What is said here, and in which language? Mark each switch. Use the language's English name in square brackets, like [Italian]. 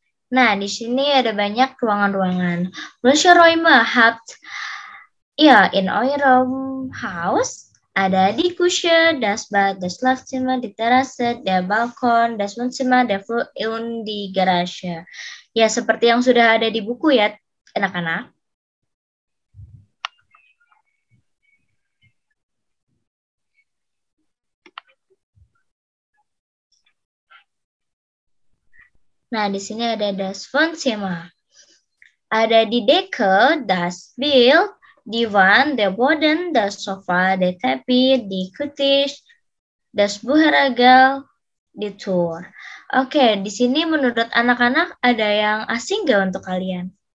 [Indonesian] Nah, di sini ada banyak ruangan-ruangan. [German] Welche Räume habt ihr in eurem Haus? Ada die Küche, das Bad, das Schlafzimmer, die Terrasse, der Balkon, das Wohnzimmer, der Flur und die Garage. [Indonesian] Ya, seperti yang sudah ada di buku ya, anak-anak. Nah, di sini ada das Wohnzimmer. [German] Ada die Decke, das Bild, Divan, der Boden, das Sofa, der Teppich, die Küche, das Bücherregal, die Tür. [Indonesian] Oke, di sini menurut anak-anak ada yang asing gak untuk kalian?